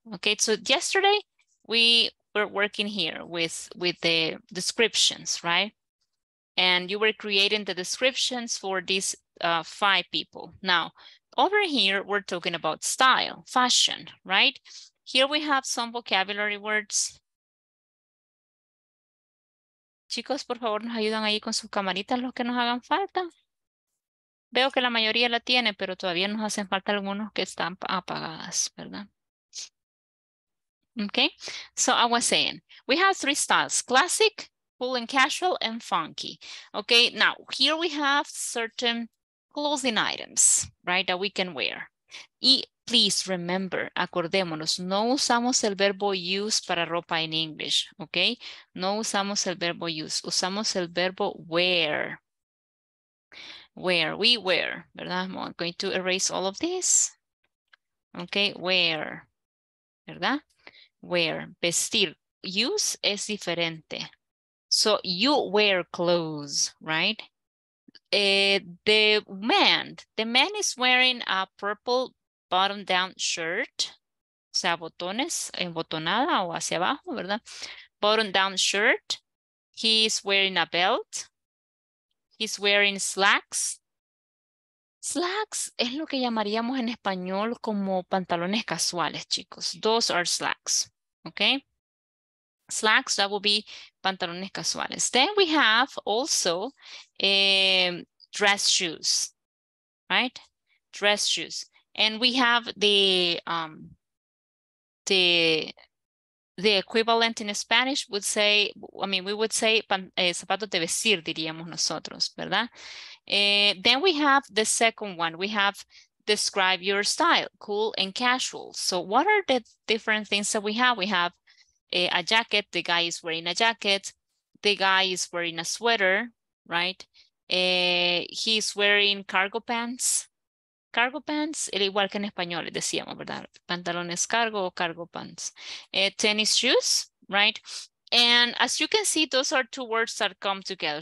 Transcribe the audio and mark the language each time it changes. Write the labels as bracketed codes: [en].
[en] Okay, so yesterday we were working here with the descriptions, right? And you were creating the descriptions for these five people. Now, over here, we're talking about style, fashion, right? Here we have some vocabulary words. [es] Chicos, por favor, nos ayudan ahí con sus camaritas los que nos hagan falta. Veo que la mayoría la tiene, pero todavía nos hacen falta algunos que están apagadas, ¿verdad? [en] Okay, so I was saying, we have three styles, classic, cool and casual, and funky. Okay, now here we have certain clothing items, right, that we can wear. [es] Y [en] please remember, [es] acordémonos, no usamos el verbo use para ropa en English, okay? No usamos el verbo use, usamos el verbo wear. [en] Wear, we wear, ¿verdad? I'm going to erase all of this. [es] Okay, wear, ¿verdad? Wear, vestir, use es diferente. [en] So you wear clothes, right? The man is wearing a purple bottom-down shirt. [es] O sea, botones, embotonada o hacia abajo, ¿verdad? [en] Bottom-down shirt. He is wearing a belt. He's wearing slacks. [es] Slacks es lo que llamaríamos en español como pantalones casuales, chicos. [en] Those are slacks, okay? Slacks, that will be [es] pantalones casuales. [en] Then we have also dress shoes, right? Dress shoes. And we have the equivalent in Spanish would say, I mean, we would say [es] zapatos de vestir, diríamos nosotros, [en] ¿verdad? Then we have the second one. We have describe your style, cool and casual. So what are the different things that we have? We have a jacket, the guy is wearing a jacket, the guy is wearing a sweater, right? He's wearing cargo pants. [es] Cargo pants, el igual que en español, decíamos, ¿verdad? [en] Pantalones cargo o cargo pants. Tennis shoes, right? And as you can see, those are two words that come together.